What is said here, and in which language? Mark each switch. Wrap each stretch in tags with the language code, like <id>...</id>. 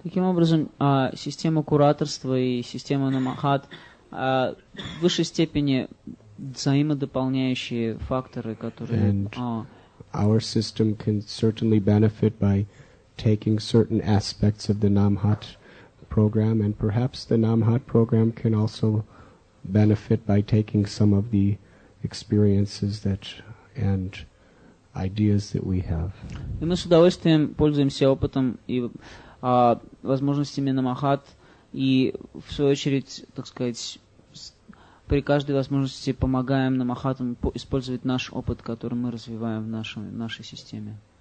<ru>Таким образом, система кураторства и система Намахат в высшей степени взаимодополняющие факторы, которые...</ru> <en>And our system can certainly benefit by taking certain aspects of the Namhat program, and perhaps the Namhat program can also benefit by taking some of the experiences that and ideas that we have.</en> <ru>И мы с удовольствием пользуемся опытом и возможностями Намахат, и в свою очередь, так сказать, при каждой возможности помогаем Намахатам использовать наш опыт, который мы развиваем в нашей системе.</ru>